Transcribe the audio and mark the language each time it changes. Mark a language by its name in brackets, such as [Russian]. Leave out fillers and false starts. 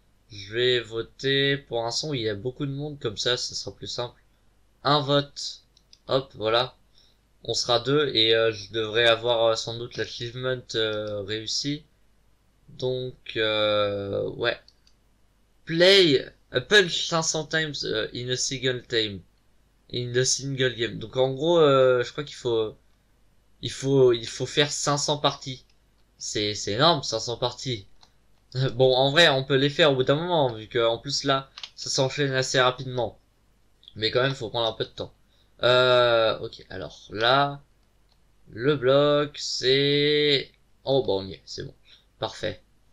[French] Je vais voter pour un son. Il y a beaucoup de monde comme ça sera plus simple. Un vote. Hop, voilà. On sera deux et je devrais avoir sans doute l'achievement réussi. Donc ouais. [English] Play a punch 500 times in a single time. In a single game. [French] Donc en gros, je crois qu'il faut. Il faut faire 500 parties. C'est énorme, 500 parties. Bon, en vrai, on peut les faire au bout d'un moment, vu qu'en plus là, ça s'enchaîne assez rapidement. Mais quand même, faut prendre un peu de temps. Ok, alors là, le bloc, c'est. Oh, bon, on y est, c'est bon. Parfait.